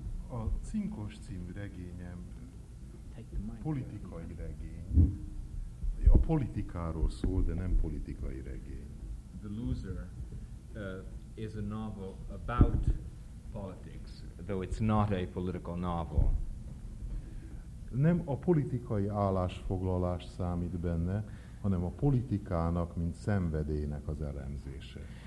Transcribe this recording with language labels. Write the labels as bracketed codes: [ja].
[hu] A Cinkos című regényem politikai regény. A politikáról szól, de nem politikai regény. [en] The Loser is a novel about politics, though it's not a political novel. [hu] Nem a politikai állásfoglalás számít benne, hanem a politikának, mint szenvedélynek az elemzése.